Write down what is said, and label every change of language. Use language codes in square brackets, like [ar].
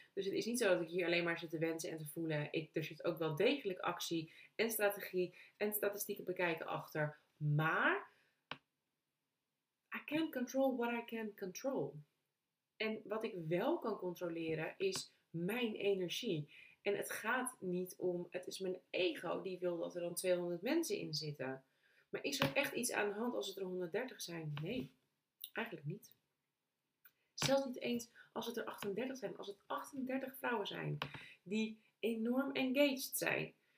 [nl] Dus het is niet zo dat ik hier alleen maar zit te wensen en te voelen. Er zit ook wel degelijk actie en strategie en statistieken bekijken achter. [en] Maar I can't control what I can control. [nl] En wat ik wel kan controleren is mijn energie. En het gaat niet om, het is mijn ego die wil dat er dan 200 mensen in zitten. Maar is er echt iets aan de hand als het er 130 zijn? Nee, eigenlijk niet. Zelfs niet eens als het er 38 zijn. Als het 38 vrouwen zijn die enorm engaged zijn.